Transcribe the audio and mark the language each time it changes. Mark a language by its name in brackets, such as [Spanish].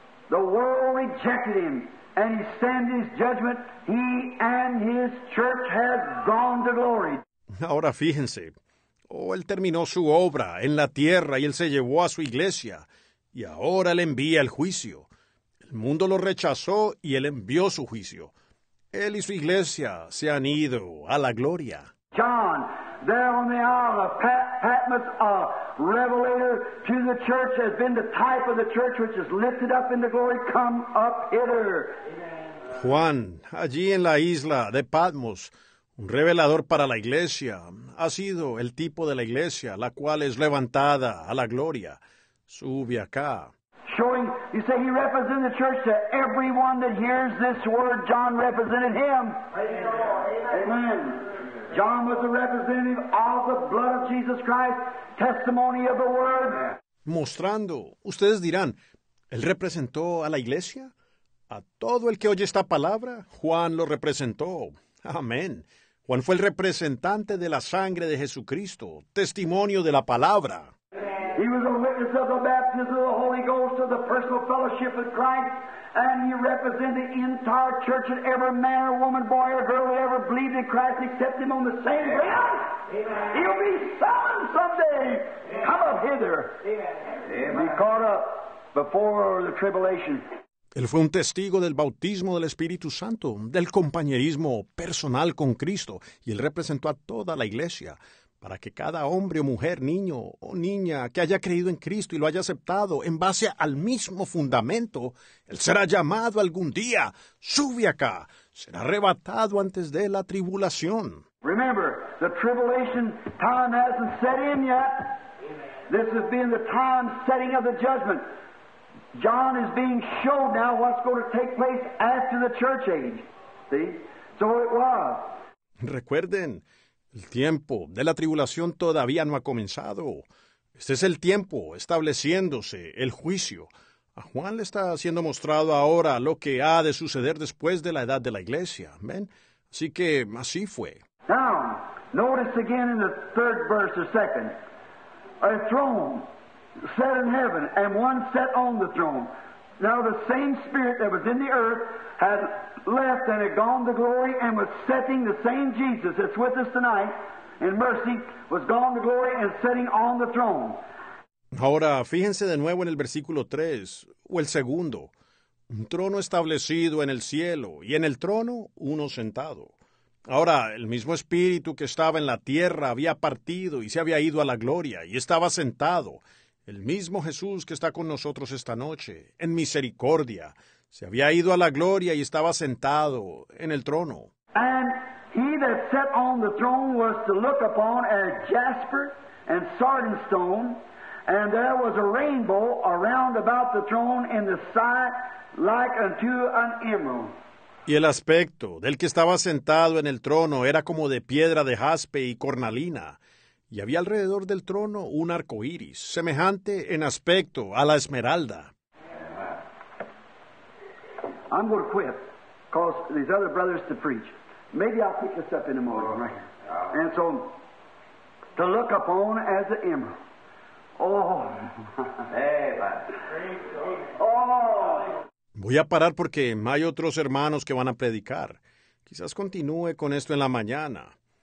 [English] The world rejected him, and he sends his judgment. He and his church have gone to glory. [Spanish] Ahora fíjense. Oh, él terminó su obra en la tierra y él se llevó a su iglesia. Y ahora le envía el juicio. El mundo lo rechazó y él envió su juicio. Él y su iglesia se han ido a la gloria. [English] John, there on the Isle of Patmos, a revelator to the church, has been the type of the church which is lifted up into glory. Come up hither. [Spanish] Juan, allí en la isla de Patmos, un revelador para la iglesia, ha sido el tipo de la iglesia, la cual es levantada a la gloria. Sube acá. [English] Showing, you say he represents the church to everyone that hears this word. John represented him. Amen. John was a representative of the blood of Jesus Christ, testimony of the word. [Spanish] Mostrando, ustedes dirán, ¿él representó a la iglesia? ¿A todo el que oye esta palabra? Juan lo representó. Amén. Juan fue el representante de la sangre de Jesucristo, testimonio de la palabra. [English] He was a witness of the baptism of the Holy Ghost, of the personal fellowship of Christ, and he represented the entire church and every man or woman, boy or girl who ever believed in Christ, except him on the same ground. Amen. He'll be summoned someday. Amen. Come up hither. Amen. Be caught up before the tribulation. [Spanish] Él fue un testigo del bautismo del Espíritu Santo, del compañerismo personal con Cristo, y él representó a toda la iglesia, para que cada hombre o mujer, niño o niña, que haya creído en Cristo y lo haya aceptado en base al mismo fundamento, él será llamado algún día, sube acá, será arrebatado antes de la tribulación. [English] Remember, the tribulation time hasn't set in yet. This has been the time setting of the judgment. John is being shown now what's going to take place after the church age. See? So it was. [Spanish] Recuerden, el tiempo de la tribulación todavía no ha comenzado. Este es el tiempo estableciéndose el juicio. A Juan le está siendo mostrado ahora lo que ha de suceder después de la edad de la iglesia. ¿Ven? Así que así fue. [English] Now, notice again in the third verse or second. A throne set in heaven, and one set on the throne. Now the same spirit that was in the earth had left and had gone to glory and was setting the same Jesus that's with us tonight in mercy was gone to glory and setting on the throne. [Spanish] Ahora, fíjense de nuevo en el versículo 3, o el segundo. Un trono establecido en el cielo, y en el trono uno sentado. Ahora, el mismo espíritu que estaba en la tierra había partido y se había ido a la gloria y estaba sentado. El mismo Jesús que está con nosotros esta noche, en misericordia, se había ido a la gloria y estaba sentado en el trono. [English] And he that sat on the throne was to look upon a jasper and sardine stone, and there was a rainbow around about the throne in the sight like unto an emerald. [Spanish] Y el aspecto del que estaba sentado en el trono era como de piedra de jaspe y cornalina. Y había alrededor del trono un arco iris, semejante en aspecto a la esmeralda. [English] I'm going to quit, because these other brothers to preach. Maybe I'll pick this up in the morning. Right? Yeah. And so, to look upon as an emerald. Oh, man. Oh. [Spanish] Voy a parar porque hay otros hermanos que van a predicar. Quizás continúe con esto en la mañana.